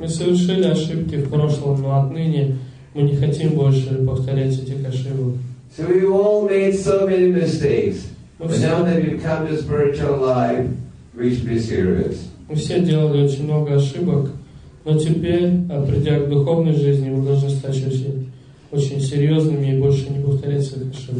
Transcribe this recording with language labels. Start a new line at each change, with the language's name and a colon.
Russian: Мы совершили ошибки в прошлом, но отныне мы не хотим больше повторять этих ошибок.
English: So we all made so many mistakes, but now that we've come to spiritual life, we should be serious.
Russian: Мы все делали очень много ошибок, но теперь, придя к духовной жизни, мы должны стать очень серьезными и больше не повторять своих